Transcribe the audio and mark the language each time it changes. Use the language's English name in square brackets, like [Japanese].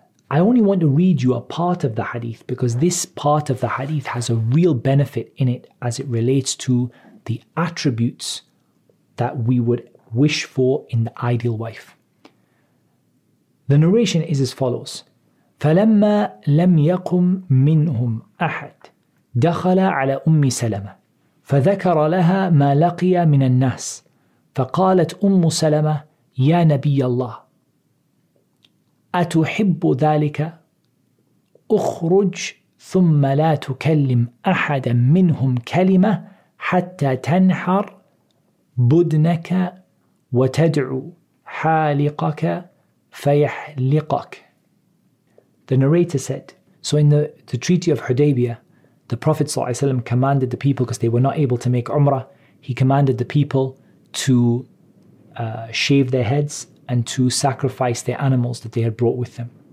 [English] I only want to read you a part of the hadith, because this part of the hadith has a real benefit in it as it relates to the attributes that we would wish for in the ideal wife. The narration is as follows. [Arabic] فَلَمَّا لَمْ يَقُمْ مِنْهُمْ أَحَدٍ دخل على أم سلمة فذكر لها ما لقي من الناس فقالت أم سلمة يا نبي الله أتحب ذلك؟ أخرج ثم لا تكلم أحدا منهم كلمة حتى تنحر بدنك وتدعو حالقك فيحلقك. [English] The narrator said, so in the Treaty of Hudaybiyah, the Prophet ﷺ commanded the people, because they were not able to make Umrah, he commanded the people to shave their heads and to sacrifice their animals that they had brought with them.